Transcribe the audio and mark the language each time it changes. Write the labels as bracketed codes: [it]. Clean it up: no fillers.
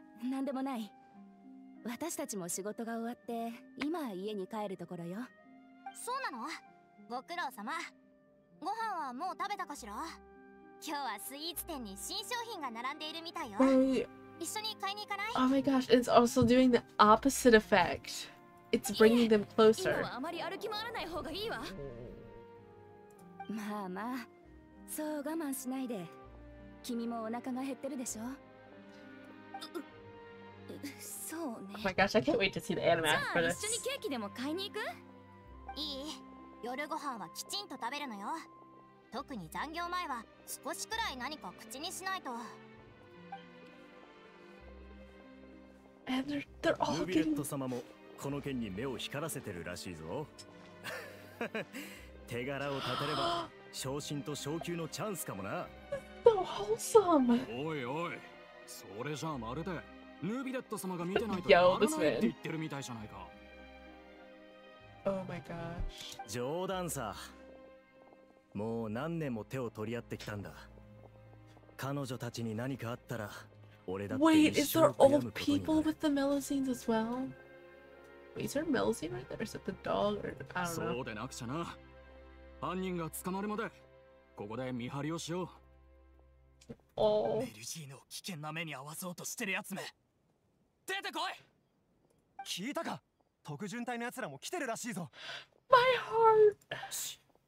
[ja] 何でもない。私たちも仕事が終わって今家に帰るところよ。そうなの？ご苦労様。ご飯はもう食べたかしら？今日はスイーツ店に新商品が並んでいるみたいよ。一緒に買いに行かない？ [en] Oh my gosh, it's also doing the opposite effect. It's bringing them closer. [ja] 今はあまり歩き回らない方がいいわ。まあまあ、そう我慢しないで。君もお腹が減ってるでしょ？そうね。 [en] Oh my gosh, I can't wait to see the anime after this. [ja] じゃあ一緒にケーキでも買いに行く？いい。夜ご飯はきちんと食べるのよ。特に残業前は少しくらい何か口にしないと。 [en] And they're all getting [ja] この件に目を光らせてるらしいぞ。手柄を立てれば昇進と昇級のチャンスかもな。でも、ハウサーム。おいおい、それじゃあまるでヌビレット様が見てないとならないって言ってるみたいじゃないか。 [en] Oh my gosh。 [ja] 冗談さ。もう何年も手を取り合ってきたんだ。彼女たちに何かあったら、俺だって一生悔やむことになる。 [en] Wait, is there old people with the Melusines as well? Wait, is there Melusine right there? Is it the dog? Or, I don't know. [ja] そうでなくちゃな。犯人が捕まるまで、ここで見張りをしよう。おお。メルジーヌを危険な目に遭わそうとしてるやつめ。出てこい。聞いたか。特巡隊のやつらも来てるらしいぞ。 [en] My heart。